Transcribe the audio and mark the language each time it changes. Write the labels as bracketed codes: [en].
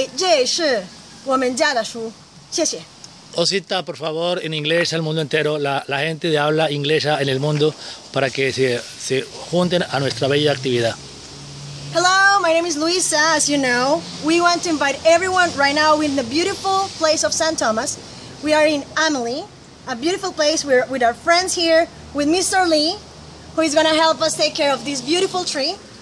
[zh] 我们可以吃的东西，所以我们要告诉你们过来种树，因为这是我们家的树。谢谢。 [es] Osita, por favor, en inglés al mundo entero, la gente de habla inglesa en el mundo para que se junten a nuestra bella actividad. [en] Hello, my name is Luisa, as you know. We want to invite everyone right now in the beautiful place of San Tomas. We are in Amelie, a beautiful place. We're with our friends here, with Mr. Lee, who is going to help us take care of this beautiful tree.